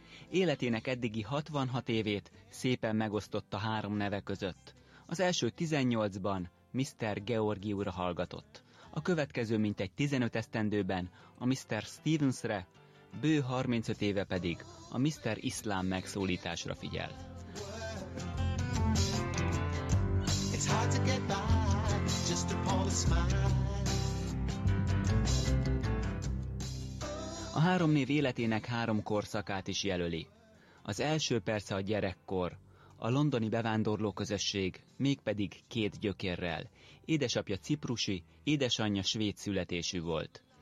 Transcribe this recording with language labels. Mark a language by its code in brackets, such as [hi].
[hu] Életének eddigi 66 évét szépen megosztotta három neve között. Az első 18-ban Mr. Georgiura hallgatott. A következő mintegy 15 esztendőben a Mr. Stevensre, bő 35 éve pedig a Mr. Islam megszólításra figyel. [en] It's hard to get by, just upon a smile. [hu] A három név életének három korszakát is jelöli. Az első persze a gyerekkor, a londoni bevándorlóközösség, mégpedig két gyökérrel. Édesapja ciprusi, édesanyja svéd születésű volt.